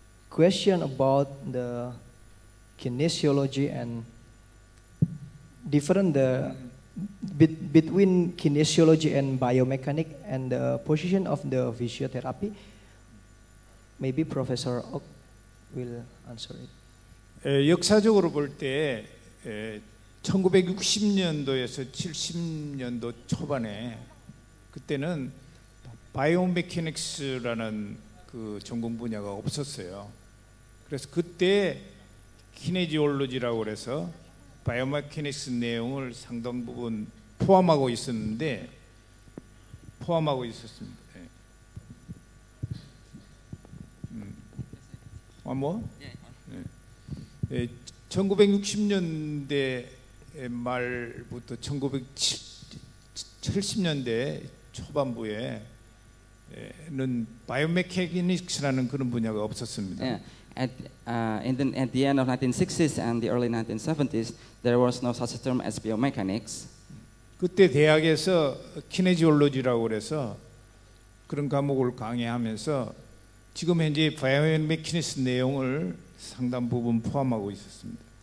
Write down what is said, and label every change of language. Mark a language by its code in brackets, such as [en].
[en] question about the kinesiology and different the between kinesiology and biomechanic and the position of the physiotherapy, maybe Professor Oak will answer it. [ko] 역사적으로 볼 때 1960년도에서 70년도 초반에 그때는 바이오메카닉스라는 그 전공 분야가 없었어요. 그래서 그때 키네지올로지라고 해서 바이오메카닉스 내용을 상당 부분 포함하고 있었습니다. 1960년대 말부터 1970년대 초반부에는 바이오메카닉스라는 그런 분야가 없었습니다. [en] At the end of 1960s and the early 1970s, there was no such term as biomechanics. [ko] 그때 대학에서 kinesiology라고 해서 그런 과목을 강의하면서 지금 현재 biomechanics 내용을 상당 부분 포함하고 있었습니다.